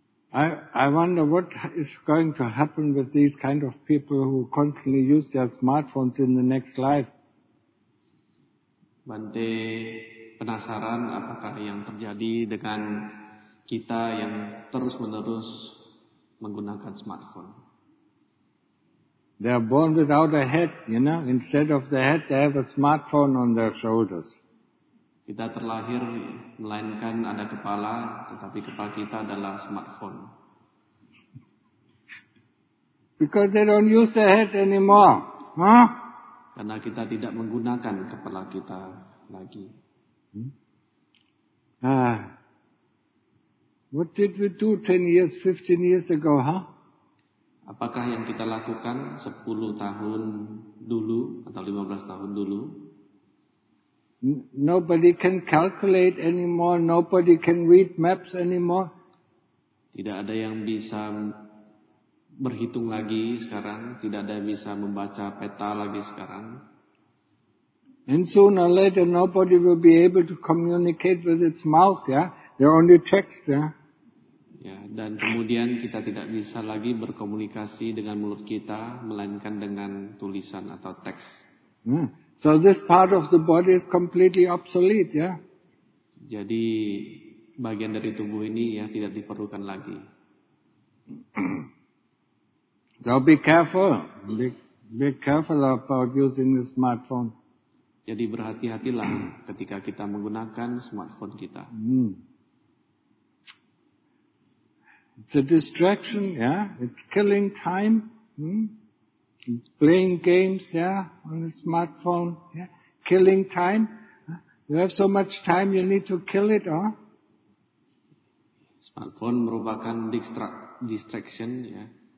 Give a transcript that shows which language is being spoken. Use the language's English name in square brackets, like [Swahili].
[English] I wonder what is going to happen with these kind of people who constantly use their smartphones in the next life. [Indonesian] Bante penasaran apakah yang terjadi dengan kita yang terus-menerus menggunakan smartphone. [English] They are born without a head, you know. Instead of the head, they have a smartphone on their shoulders. [Indonesian] Kita terlahir melainkan ada kepala, tetapi kepala kita adalah smartphone. [English] Because they don't use their head anymore, huh? [Indonesian] Karena kita tidak menggunakan kepala kita lagi. [English] What did we do 10 years, 15 years ago, huh? [Indonesian] Apakah yang kita lakukan 10 tahun dulu atau 15 tahun dulu? [English] Nobody can calculate anymore. Nobody can read maps anymore. [Indonesian] Tidak ada yang bisa berhitung lagi sekarang. Tidak ada yang bisa membaca peta lagi sekarang. [English] And sooner or later, nobody will be able to communicate with its mouth, yeah? They're only text, yeah? [Indonesian] Ya, dan kemudian kita tidak bisa lagi berkomunikasi dengan mulut kita, melainkan dengan tulisan atau teks. [English] So this part of the body is completely obsolete, yeah? [Indonesian] Jadi, bagian dari tubuh ini ya tidak diperlukan lagi. [English] So be careful. Be careful about using the smartphone. [Indonesian] Jadi berhati-hatilah ketika kita menggunakan smartphone kita. [English] It's a distraction, yeah. It's killing time. It's playing games, yeah, on the smartphone, yeah. Killing time. You have so much time, you need to kill it, huh? [Indonesian] Smartphone merupakan distraction, yeah.